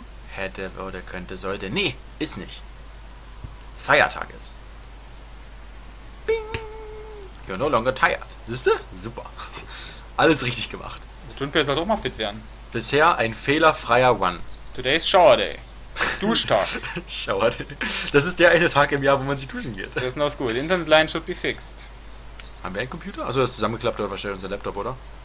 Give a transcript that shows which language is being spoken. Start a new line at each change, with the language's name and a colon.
German: Hätte, würde, könnte, sollte. Nee, ist nicht. Feiertag ist. Bing!
English: You're no longer tired.
German: Siehste? Super. Alles richtig gemacht. Junpei soll doch mal fit werden. Bisher ein fehlerfreier One.
English: Today's Shower Day.
German: Duschtag.
English: Shower Day.
German: Das ist der eine Tag im Jahr, wo man sich duschen geht.
English: That's not school. The internet line should be fixed.
German: Haben wir einen Computer? Achso, das ist zusammengeklappt, oder wahrscheinlich unser Laptop, oder?